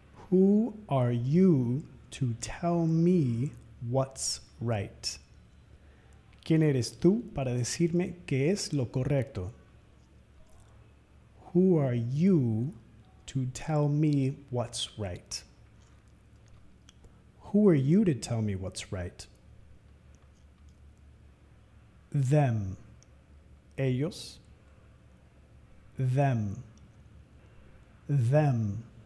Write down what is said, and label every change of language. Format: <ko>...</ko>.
<en>Who are you to tell me what's right?</en> <es>¿Quién eres tú para decirme qué es lo correcto?</es> <en>Who are you to tell me what's right? Who are you to tell me what's right? Them. Ellos. Them. Them.</en>